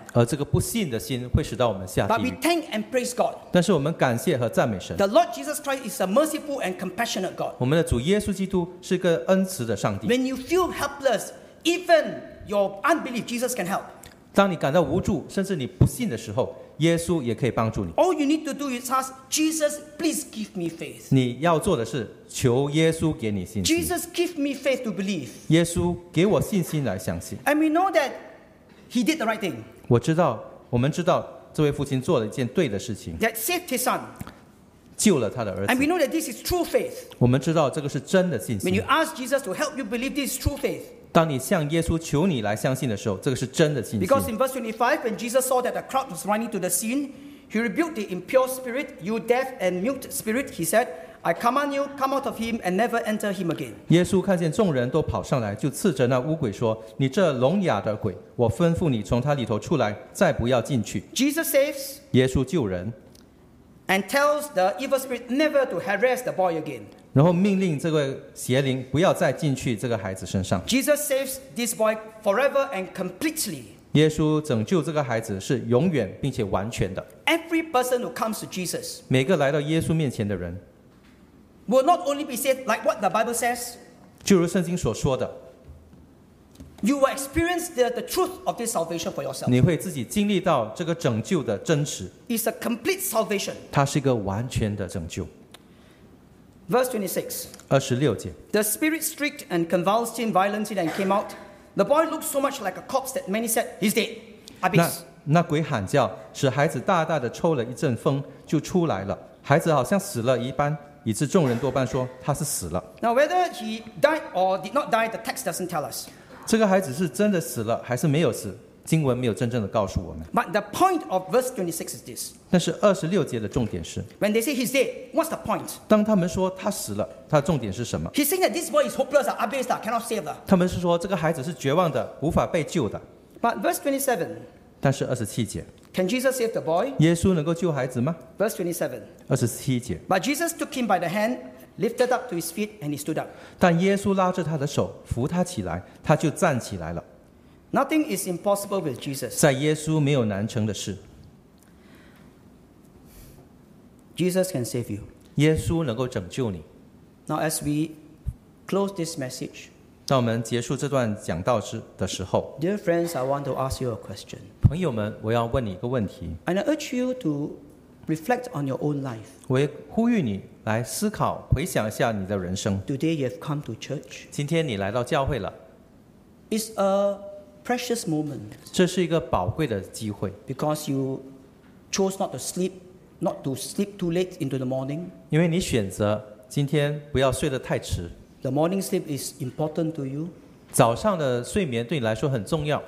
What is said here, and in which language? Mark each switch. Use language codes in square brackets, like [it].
[zh] 而这个不信的心会使到我们下地狱。 [en] But we thank and praise God. [zh] 但是我们感谢和赞美神。 [en] The Lord Jesus Christ is a merciful and compassionate God. [zh] 我们的主耶稣基督是个恩慈的上帝。 [en] When you feel helpless, evenYour unbelief, Jesus can help. [zh] 当你感到无助，甚至你不信的时候，耶稣也可以帮助你。 [en] All you need to do is ask Jesus, please give me faith. [zh] 你要做的是求耶稣给你信心。 [en] Jesus, give me faith to believe. [zh] 耶稣给我信心来相信。 [en] And we know that he did the right thing. [zh] 我知道，我们知道这位父亲做了一件对的事情。 [en] That saved his son. [zh] 救了他的儿子。 [en] And we know that this is true faith. [zh] 我们知道这个是真的信心。 [en] When you ask Jesus to help you believe, this is true faith. [zh] 当你向耶稣求你来相信的时候，这个是真的信心。 [en] Because in verse 25, when Jesus saw that the crowd was running to the scene, he rebuked the impure spirit, you deaf and mute spirit, he said, I command you, come out of him and never enter him again. [zh] 耶稣看见众人都跑上来，就斥责那污鬼说：“你这聋哑的鬼，我吩咐你从他里头出来，再不要进去。” [en] Jesus saves. [zh] 耶稣救人。 [en] And tells the evil spirit never to harass the boy again. [zh] 然后命令这个邪灵不要再进去这个孩子身上。 [en] Jesus saves this boy forever and completely. [zh] 耶稣拯救这个孩子是永远并且完全的。 [en] Every person who comes to Jesus. [zh] 每个来到耶稣面前的人。 [en] Will not only be saved like what the Bible says. [zh] 就如圣经所说的。 [en] You will experience the truth of this salvation for yourself. [zh] 你会自己经历到这个拯救的真实。 [en] It's a complete salvation. [zh] 它是一个完全的拯救。 [en] Verse 26. [zh] 二十六节。 [en] The spirit streaked and convulsed him violently and came out. The boy looked so much like a corpse that many said he's dead. [zh] 那鬼喊叫，使孩子大大的抽了一阵风就出来了。孩子好像死了一般。以致众人多半说他是死了。 [en] Now whether he died or did not die, the text doesn't tell us. [zh] 这个孩子是真的死了还是没有死？经文没有真正的告诉我们。 [en] But the point of verse 26 is this. [zh] 但是二十六节的重点是。 [en] When they say he's dead, what's the point? [zh] 当他们说他死了，他的重点是什么 [en] ？He's saying that this boy is hopeless, abyss, cannot save. [zh] 他们是说这个孩子是绝望的，无法被救的。 [en] But verse 27. [zh] 但是二十七节。 [en] Can Jesus save the boy? [zh] 耶稣能够救孩子吗？ [en] Verse 27. [zh] 二十七节。 [en] But Jesus took him by the hand, lifted up to his feet, and he stood up. [zh] 但耶稣拉着他的手，扶他起来，他就站起来了。 [en] Nothing is impossible with Jesus. [zh] 在耶稣没有难成的事。 [en] Jesus can save you. [zh] 耶稣能够拯救你。 [en] Now as we close this message. [zh] 当我们结束这段讲道的时候。 [en] Dear friends, I want to ask you a question. [zh] 朋友们，我要问你一个问题。 [en] And I urge you to reflect on your own life. [zh] 我呼吁你来思考，回想一下你的人生。 [en] Today you have come to church. [zh] 今天你来到教会了。 [en] It's a precious moment. [zh] 这是一个宝贵的机会。 [en] Because you chose not to sleep too late into the morning. [zh] 因为你选择今天不要睡得太迟。 [en] The morning sleep is important to you. [zh] 早上的睡眠对你来说很重要。